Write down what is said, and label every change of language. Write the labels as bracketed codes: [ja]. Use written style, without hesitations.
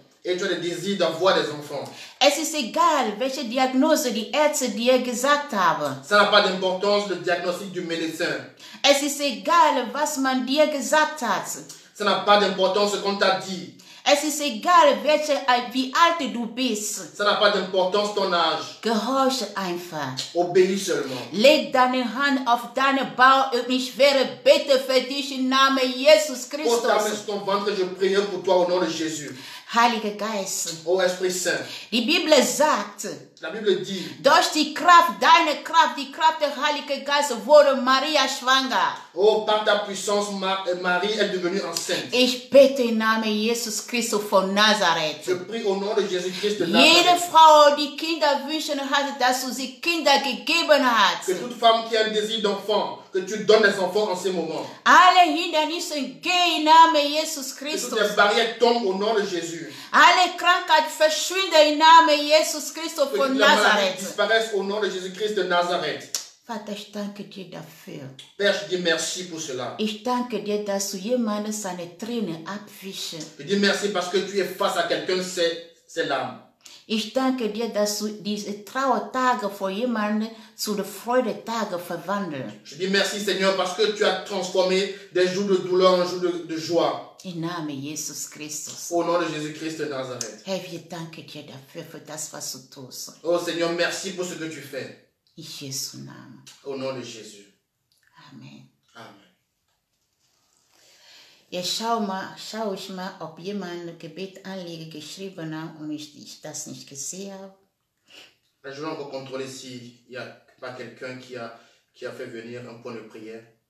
[fr] et tu as le désir d'avoir des enfants, [de] es ist egal, welche Diagnose die Ärzte dir gesagt haben, [fr] ça n'a pas d'importance le diagnostic du médecin, [de] es ist egal, was man dir gesagt hat, [fr] ça n'a pas d'importance ce qu'on t'a dit, [de] es ist egal, welche, wie alt du bist, [fr] ça n'a pas d'importance ton âge, [de] gehorche einfach, [fr] obéis seulement, [de] leg deine Hand auf deinen Bauch und ich werde beten für dich im Namen Jesus Christus, [fr] pose ta main sur ton ventre, je prie pour toi au nom de Jésus. [de] Heiliger Geist, [fr] oh Esprit Saint, [de] die Bibel sagt, [fr] la Bible dit, [de] durch die Kraft, deine Kraft, die Kraft des Heiligen Geistes wurde Maria schwanger. [fr] Oh, par ta puissance, Marie est devenue enceinte. [de] Ich bete im Namen Jesus Christus von Nazareth. [fr] Je prie au nom de Jésus Christ de Nazareth. [de] Jede Frau, die Kinder wünschen hat, dass du sie Kinder gegeben hast. [fr] Que toute femme qui a un désir d'enfant, que tu donnes des enfants en ce moment. [de] Alle Hindernisse gehen im Namen Jesus Christus. [fr] Que toutes les barrières tombent au nom de Jésus. [de] Alle Krankheit verschwinde im Namen Jesus Christus von Nazareth. [fr] Que toutes les maladies disparaissent au nom de Jésus Christ de Nazareth. [de] Vater, ich danke dir dafür. [fr] Père, je dis merci pour cela. [de] Ich danke dir, dass du jemanden seine Tränen abwischst. [fr] Je dis merci parce que tu es face à quelqu'un, ses larmes. [de] Ich danke dir, dass du diese Trauertage von jemanden zu den Freudetagen verwandelst. [fr] Je dis merci, Seigneur, parce que tu as transformé des jours de douleur en jours de joie. [de] Im Namen Jesus Christus. [fr] Au nom de Jésus Christ de Nazareth. [de] Herr, wir danken dir dafür, für das, was du tust. [fr] Oh Seigneur, merci pour ce que tu fais. [de] In Jesu Namen. [fr] Au nom de Jésus. [de] Amen. [fr] Amen. [de] Ja, schau ich mal, ob jemand ein Gebetsanliegen geschrieben hat und ich das nicht gesehen habe. [fr] Je voulais encore contrôler s'il n'y a pas quelqu'un qui a fait venir un point de prière.